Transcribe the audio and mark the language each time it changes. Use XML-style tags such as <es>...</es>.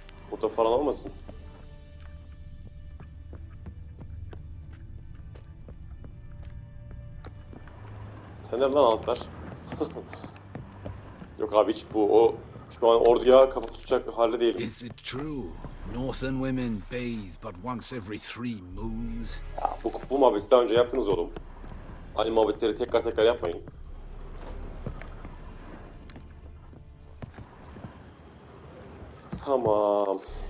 <tr>Burada falan olmasın. Sen lan anahtar. Yok abi hiç bu o şu an orduya kafa tutacak bir halde değilim.</tr> <en>Is it true? Northern women bathe but once every three moons.</en> <tr>Ya, bu muhabbeti daha önce yaptınız oğlum. Aynı muhabbetleri tekrar yapmayın. Tamam.</tr>